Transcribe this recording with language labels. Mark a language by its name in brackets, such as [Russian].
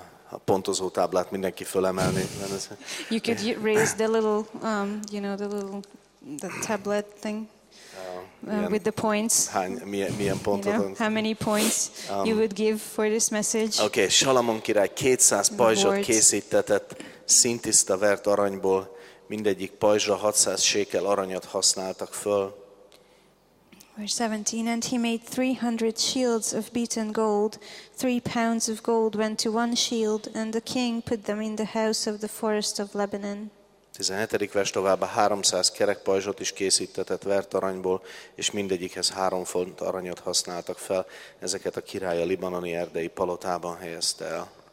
[Hungarian] A pontozó táblát mindenki fölemelni. [English] You could raise the little the tablet thing with the points. [Hungarian] Milyen pontot? [English] How many points you would give for this message? [Hungarian] Okay, Salamon király 200 pajzsot készítetett színtiszta vert aranyból, mindegyik pajzsra 600 sékel aranyat használtak föl. [English] Verse 17, and he made 300 shields of beaten gold. 3 pounds of gold went to one shield, and the king put them in the house of the forest of Lebanon. 17. [Hungarian] vers, továbbá 300 kerek pajzsot is készítetett vert aranyból, és mindegyikhez 3 font aranyat használtak fel. Ezeket a király a libanoni erdei palotában helyezte el.